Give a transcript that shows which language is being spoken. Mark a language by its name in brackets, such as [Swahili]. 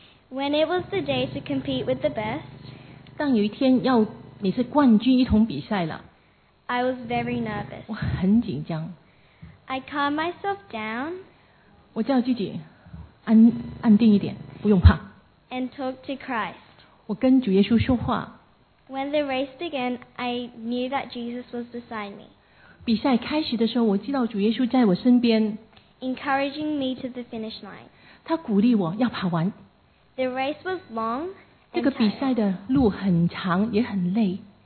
[English] When it was the day to compete with the best, [Chinese] 当有一天要你是冠军一同比赛了 [English] I was very nervous. [Chinese] 我很紧张。 [English] I calmed myself down. [Chinese] 我叫自己安定一点，不用怕。 [English] And talked to Christ. [Chinese] 我跟主耶稣说话。 [English] When the race began, I knew that Jesus was beside me. [Chinese] 比赛开始的时候，我知道主耶稣在我身边。 [English] Encouraging me to the finish line. [Chinese] 他鼓励我要跑完。 [English] The race was long. [Chinese] 这个比赛的路很长，也很累。